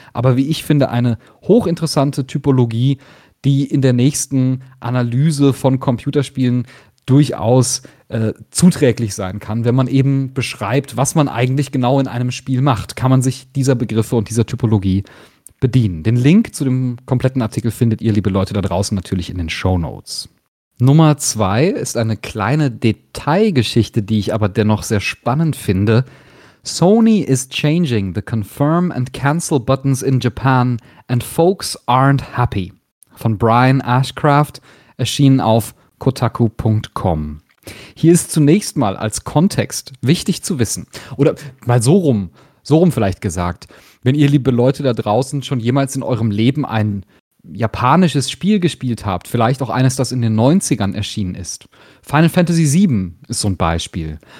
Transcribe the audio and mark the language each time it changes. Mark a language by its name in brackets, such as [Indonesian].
[German] Aber wie ich finde, eine hochinteressante Typologie, die in der nächsten Analyse von Computerspielen durchaus zuträglich sein kann, wenn man eben beschreibt, was man eigentlich genau in einem Spiel macht, kann man sich dieser Begriffe und dieser Typologie bedienen. Den Link zu dem kompletten Artikel findet ihr, liebe Leute, da draußen natürlich in den Shownotes. Nummer 2 ist eine kleine Detailgeschichte, die ich aber dennoch sehr spannend finde. [English] Sony is changing the confirm and cancel buttons in Japan and folks aren't happy. [German] Von Brian Ashcraft, erschienen auf kotaku.com. Hier ist zunächst mal als Kontext wichtig zu wissen, oder mal so rum vielleicht gesagt, wenn ihr, liebe Leute da draußen, schon jemals in eurem Leben ein japanisches Spiel gespielt habt, vielleicht auch eines, das in den 90ern erschienen ist, Final Fantasy VII ist so ein Beispiel,